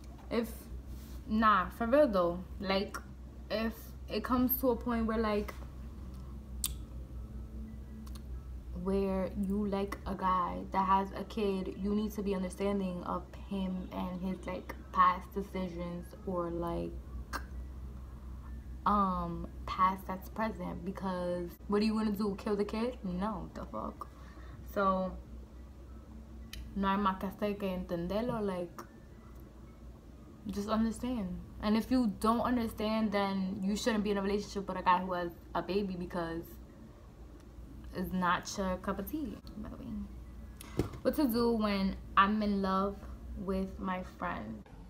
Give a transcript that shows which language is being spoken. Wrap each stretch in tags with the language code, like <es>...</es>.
<en>If, nah, for real though, like, if it comes to a point where, like, where you like a guy that has a kid, you need to be understanding of him and his, like, past decisions or, like, past that's present. Because what are you gonna do, kill the kid? No, the fuck.</en> <es>So, no hay más que hacer que entenderlo,</es> <en>like, just understand. And if you don't understand, then you shouldn't be in a relationship with a guy who has a baby, because it's not your cup of tea, by the way. What to do when I'm in love with my friend?</en>